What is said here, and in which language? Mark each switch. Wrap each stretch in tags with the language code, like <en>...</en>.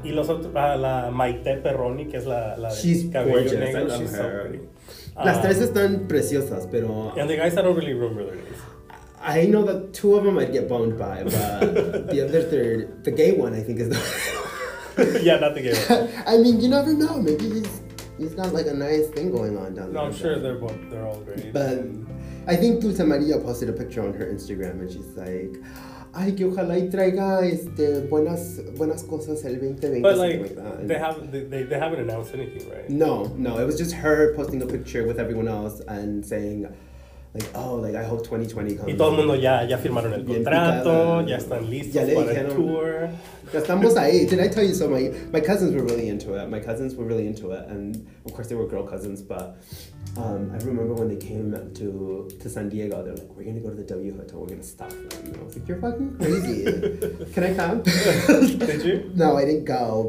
<es>Y los otros, la Maite Perroni, que es la</es> <en>she's cabello gorgeous. Negro. She's gorgeous. I love her.</en> <es>Las tres están preciosas, pero...</es> <en>And the guys that don't really remember their names. I know that two of them I'd get boned by, but the other third, the gay one, I think is the... Yeah, not the gay one. I mean, you never know. Maybe he's got like a nice thing going on down there. No, I'm sure they're all great. But I think Dulce Maria posted a picture on her Instagram and she's like...</en> <es>Ay, que ojalá y traiga buenas cosas el 2020.</es> <en>But like they haven't announced anything, right? No, it was just her posting a picture with everyone else and saying like, oh, like I hope 2020 comes.</en> <es>Y todo el mundo ya firmaron el contrato, ya están listos ya para el tour. Ya estamos ahí.</es> <en>Did I tell you so? My cousins were really into it. My cousins were really into it, and of course they were girl cousins. But I remember when they came to San Diego, they're like, "We're gonna go to the W Hotel. We're gonna stop them." And I was like, "You're fucking crazy. Can I come?" Did you? No, I didn't go.</en>